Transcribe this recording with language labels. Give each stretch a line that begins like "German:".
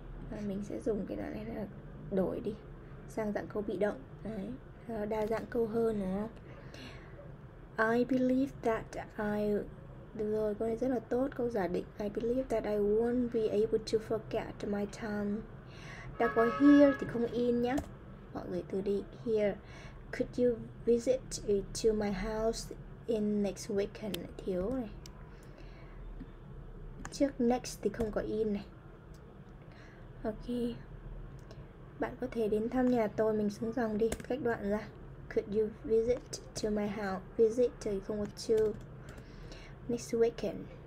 Vietnamese: Và mình sẽ dùng cái đoạn này là đổi đi sang dạng câu bị động. Đấy. Đa dạng câu hơn đúng không?
English: I believe that I...
Vietnamese: Được rồi, câu này rất là tốt, câu giả định.
English: I believe that I won't be able to forget my time.
Vietnamese: Đã có here thì không in nhé. Mọi người từ đi here.
English: Could you visit to my house in next weekend?
Vietnamese: Thiếu này. Trước next thì không có in này. Ok. Bạn có thể đến thăm nhà tôi, mình xuống dòng đi, cách đoạn ra.
English: Could you visit to my house? Visit
Vietnamese: thì không có
English: to. Next weekend.